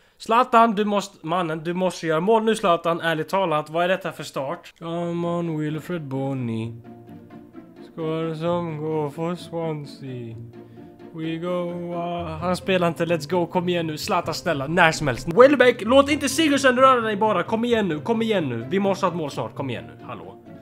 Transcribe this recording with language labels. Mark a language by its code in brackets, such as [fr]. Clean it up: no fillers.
[sv] Zlatan, du måste, mannen, du måste göra mål nu, Zlatan. Ärligt talat, vad är detta för start? [en] Come on, Wilfred Bonny. Score some goal for Swansea. [sv] We go, han spelar inte, let's go, kom igen nu. Zlatan, snälla, när som helst. Welbeck, låt inte Sigurdsson röra dig bara. Kom igen nu. Vi måste ha ett mål snart, kom igen nu. Hallå.